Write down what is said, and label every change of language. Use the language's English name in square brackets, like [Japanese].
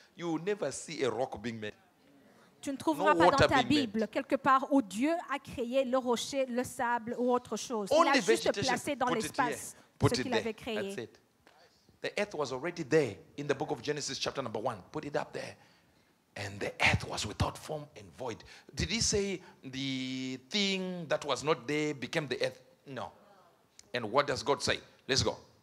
[English] You will never see a rock being made. [French] Tu ne trouveras pas dans ta Bible quelque part où Dieu a créé le rocher, le sable ou autre chose. [English] Only [French] il a juste placé dans l'espace ce qu'il avait créé. [English] That's it. The earth was already there in the book of Genesis chapter number 1. Put it up there. And the earth was without form and void. Did he say the thing that was not there became the earth? No. And what does God say? Let's go.